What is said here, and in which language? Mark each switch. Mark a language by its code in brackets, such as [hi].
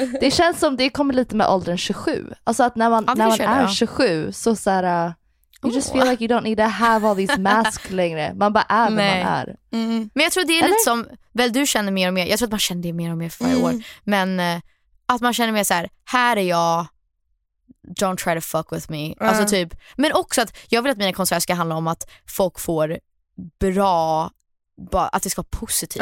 [sv] Det känns som det kommer lite med åldern 27. Alltså att när man är 27 så här... [en] You just feel like you don't need to have all these masks [sv] längre. Man bara är vem man är. Men jag tror det är lite som, väl, du känner mer och mer. Jag tror att man känner det mer och mer för varje år. Men att man känner mer så här, här är jag. [en] Don't try to fuck with me. [sv] Alltså typ, men också att jag vill att mina konserter ska handla om att folk får bra, att det ska vara positivt.